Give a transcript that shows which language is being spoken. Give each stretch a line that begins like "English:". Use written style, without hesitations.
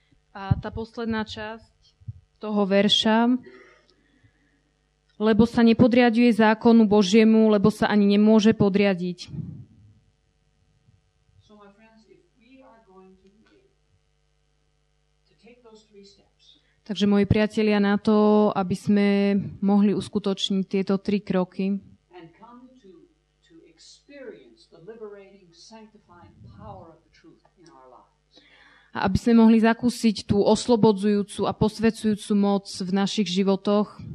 Slovak: A tá posledná časť toho verša, lebo sa nepodriaduje zákonu Božiemu, lebo sa ani nemôže podriadiť.
English: So my friends, if we are going to be able to take those three steps.
Slovak: Takže moji priatelia, na to, aby sme mohli uskutočniť tieto tri kroky.
English: And come to experience the liberating, sanctifying power of the truth in our lives.
Slovak: A aby sme mohli zakúsiť tú oslobodzujúcu a posvedzujúcu moc v našich životoch.